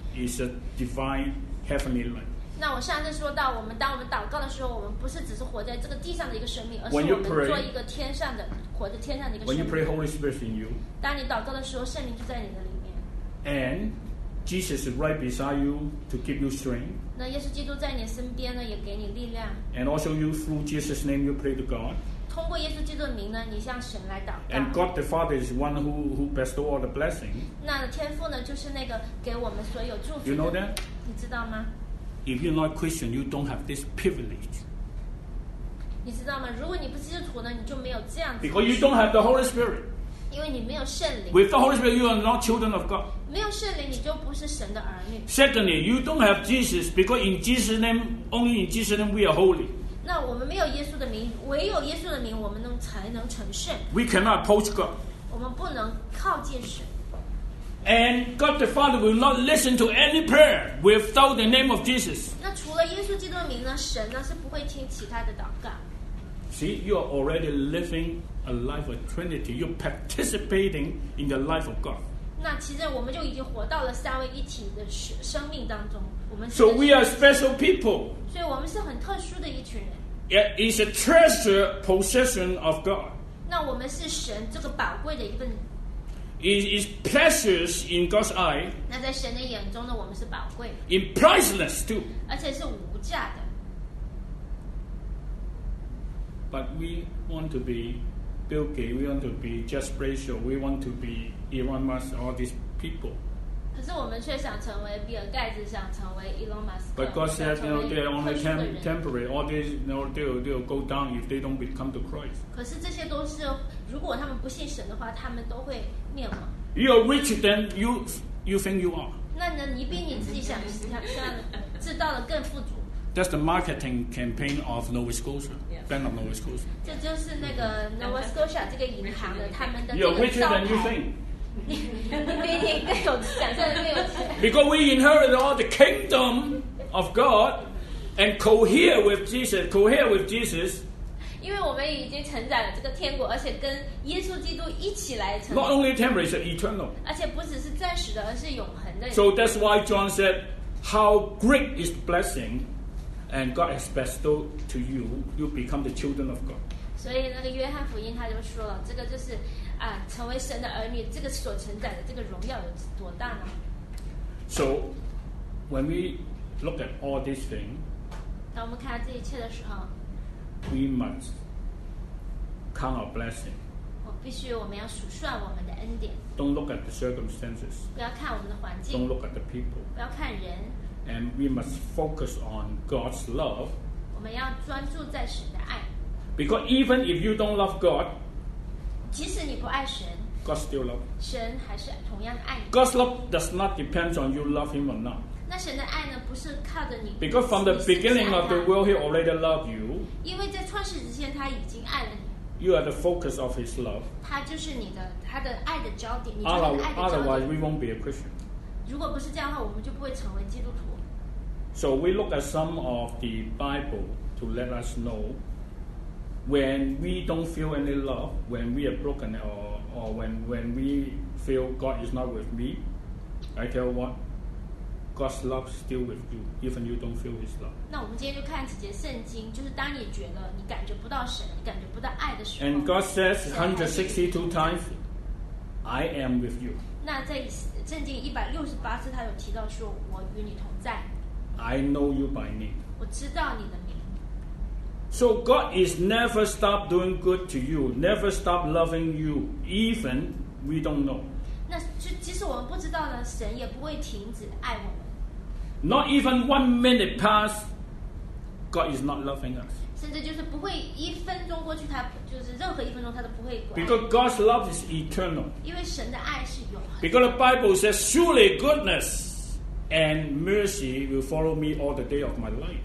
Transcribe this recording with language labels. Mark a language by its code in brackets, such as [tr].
[en] It's a divine heavenly life. [zh] 那我上次说到，我们当我们祷告的时候，我们不是只是活在这个地上的一个生命，而是我们做一个天上的，活在天上的一个生命。 [en] When you pray, Holy Spirit in you. [zh] 当你祷告的时候，圣灵就在你的里面。 [en] And Jesus is right beside you to give you strength. [zh] 那耶稣基督在你身边呢，也给你力量。 [en] And also you through Jesus' name you pray to God. [zh] 通过耶稣基督的名呢，你向神来祷告。 [en] And God the Father is one who bestow all the blessing. [zh] 那天父呢，就是那个给我们所有祝福的。 [en] You know that? [zh] 你知道吗？ [en] If you're not Christian, you don't have this privilege. [zh] 你知道吗？如果你不基督徒呢，你就没有这样子。 [en] Because you don't have the Holy Spirit. [zh] 因为你没有圣灵。 [en] With the Holy Spirit, you are not children of God. [zh] 没有圣灵，你就不是神的儿女。 [en] Secondly, you don't have Jesus because in Jesus' name, only in Jesus' name we are holy. [zh] 那我们没有耶稣的名，唯有耶稣的名，我们能才能成圣。 [en] We cannot approach God. [zh] 我们不能靠近神。 [en] And God the Father will not listen to any prayer without the name of Jesus. [zh] 那除了耶稣基督的名呢？神呢是不会听其他的祷告。 [en] See, you are already living a life of Trinity. You're participating in the life of God. [zh] 那其实我们就已经活到了三位一体的生命当中。我们 [en] So we are special people. [zh] 所以我们是很特殊的一群人。 [en] It is a treasure possession of God. [zh] 那我们是神这个宝贵的一份。 [en] Is precious in God's eye. [zh] 那在神的眼中呢，我们是宝贵。 [en] In priceless too. [zh] 而且是无价的。 [en] But we want to be Bill Gates. We want to be Jeff Bezos. We want to be Elon Musk. All these people. [zh] 可是我们却想成为比尔盖茨，想成为 Elon Musk. [en] But God says, you know, they are only temporary. All these, you know, they'll go down if they don't come to Christ. [zh] 可是这些都是，如果他们不信神的话，他们都会。 [en] You are richer than you think you are. [zh] 那呢？你比你自己想知道的更富足。 [en] That's the marketing campaign of Nova Scotia, Bank of Nova Scotia. [zh] 这就是那个 Nova Scotia 这个银行的他们的。 [en] You are richer than you think. [zh] 你比你更有想象的更有钱。 [en] Because we inherit all the kingdom of God and cohere with Jesus, cohere with Jesus. [zh] 因为我们已经承载了这个天国，而且跟耶稣基督一起来承载。 [en] Not only temporary, it's eternal. [zh] 而且不只是暂时的，而是永恒的。 [en] So that's why John said, "How great is the blessing, and God has bestowed to you, you become the children of God." [zh] 所以那个约翰福音他就说了，这个就是啊，成为神的儿女，这个所承载的这个荣耀有多大呢 [en] ？So when we look at all these things, [zh] 当我们看到这一切的时候。 [en] We must count our blessing. [zh] 我必须，我们要数算我们的恩典。 [en] Don't look at the circumstances. [zh] 不要看我们的环境。 [en] Don't look at the people. [zh] 不要看人。 [en] And we must focus on God's love. [zh] 我们要专注在神的爱。 [en] Because even if you don't love God, [zh] 即使你不爱神 [en] ，God still love. [zh] 神还是同样爱你。 [en] God's love does not depend on you love Him or not. [zh] 那神的爱呢？不是靠着你。 [en] Because from the beginning of the world, He already loved you. [zh] 因为在创世之前，他已经爱了你。 [en] You are the focus of His love. [zh] 他就是你的，他的爱的焦点，你就是爱的焦点。 [en] Otherwise, we won't be a Christian. [zh] 如果不是这样的话，我们就不会成为基督徒。 [en] So we look at some of the Bible to let us know when we don't feel any love, when we are broken, or when we feel God is not with me, I tell what? God's love is still with you, even you don't feel His love. [zh] 那我们今天就看几节圣经，就是当你觉得你感觉不到神，你感觉不到爱的时候。 [en] And God says 162 times, I am with you. [zh] 那在圣经168次，他有提到说我与你同在。 [en] I know you by name. [zh] 我知道你的名。 [en] So God is never stop doing good to you, never stop loving you, even we don't know. [zh] 那即使我们不知道呢，神也不会停止爱我们。 [en] Not even 1 minute pass, God is not loving us. [zh] 甚至就是不会一分钟过去，他就是任何一分钟他都不会管。 [en] Because God's love is eternal. [zh] 因为神的爱是永恒。 [en] Because the Bible says, surely goodness and mercy will follow me all the day of my life.